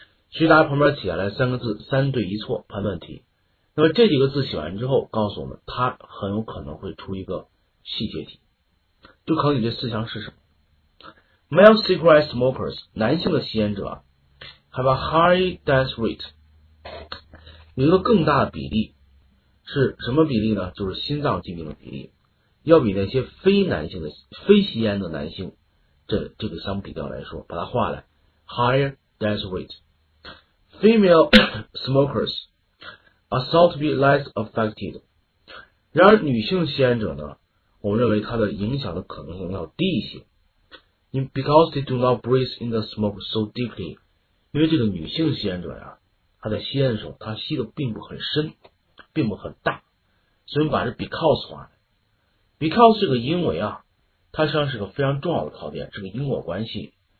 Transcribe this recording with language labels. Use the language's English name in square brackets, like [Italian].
[Chinese] 所以大家旁边写下来三个字：三对一错判断题。那么这几个字写完之后，告诉我们它很有可能会出一个细节题，就考你这四项是什么： [English] Male cigarette smokers [Chinese] 男性的吸烟者 [English] have a high death rate。 [Chinese] 有一个更大的比例是什么比例呢？就是心脏疾病的比例，要比那些非男性的、非吸烟的男性这个相比较来说，把它画来， [English] higher death rate。 Female smokers are thought to be less affected。 [Chinese] 然而，女性吸烟者呢，我们认为它的影响的可能性要低一些， [English] in because they do not breathe in the smoke so deeply。 [Chinese] 因为这个女性吸烟者呀。他在吸烟的时候，他吸的并不很深，并不很大。所以我们把这 because 划了。because 这个因为啊，它实际上是个非常重要的考点，是个因果关系。